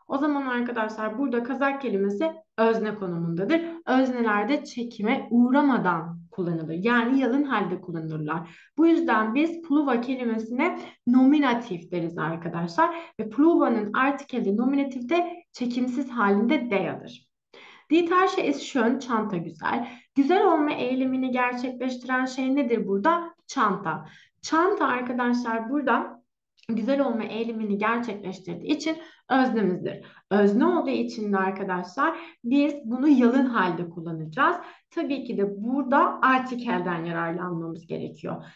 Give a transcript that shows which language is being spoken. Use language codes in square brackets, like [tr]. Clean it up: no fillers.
[tr] O zaman arkadaşlar burada kazak kelimesi özne konumundadır. Öznelerde çekime uğramadan kullanılır. Yani yalın halde kullanırlar. Bu yüzden biz pluva kelimesine nominatif deriz arkadaşlar. Ve pluvanın artikeli nominatif de çekimsiz halinde de'dir. [de] Die Tasche ist schön, [tr] çanta güzel. Güzel olma eylemini gerçekleştiren şey nedir burada? Çanta. Çanta arkadaşlar burada güzel olma eylemini gerçekleştirdiği için öznemizdir. Özne olduğu için de arkadaşlar biz bunu yalın halde kullanacağız. Tabii ki de burada artikelden yararlanmamız gerekiyor.